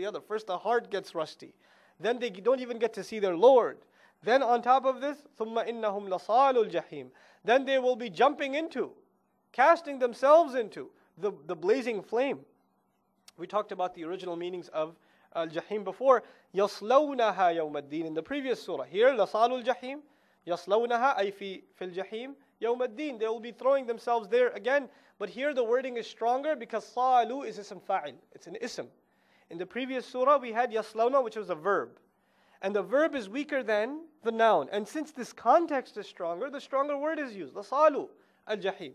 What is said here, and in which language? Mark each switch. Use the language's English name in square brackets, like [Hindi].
[English] First the heart gets rusty, then they don't even get to see their Lord. Then on top of this, [Arabic] ثُمَّ إِنَّهُمْ لَصَالُ الْجَحِيمِ. [English] Then they will be jumping into, casting themselves into the blazing flame. We talked about the original meanings of al-jahim before. [Arabic] يَصْلَوْنَهَا يَوْمَ الدِّينِ [English] in the previous surah. Here, [Arabic] لَصَالُ الْجَحِيمِ يَصْلَوْنَهَا أي فِي الْجَحِيمِ يَوْمَ الدِّينِ. [English] They will be throwing themselves there again. But here the wording is stronger because صَالُ is ism fa'il. It's an ism. In the previous surah we had يَصْلَوْنَ, which was a verb. And the verb is weaker than the noun. And since this context is stronger, the stronger word is used. [Arabic] لَصَالُ الْجَحِيمِ.